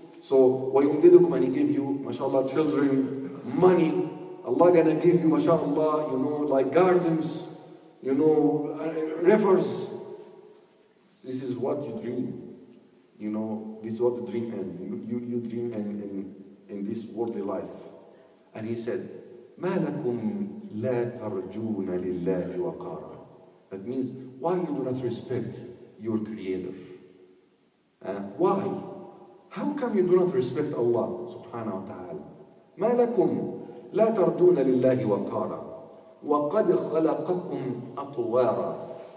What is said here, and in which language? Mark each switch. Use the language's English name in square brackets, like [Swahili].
[English] So, ويمددكم, and He give you, mashallah, children, money. Allah gonna give you, mashallah, you know, like gardens, you know, rivers. This is what you dream, you know, this is what the dream end. You dream in this worldly life. And he said, [Arabic] مَا لَكُمْ لَا تَرْجُونَ لِلَّهِ وَقَارًا. [English] That means, why you do not respect your creator? Why? How come you do not respect Allah subhanahu wa ta'ala? [Arabic] مَا لَكُمْ لَا تَرْجُونَ لِلَّهِ وَقَارًا وَقَدْ خَلَقَكُمْ أَطْوَارًا.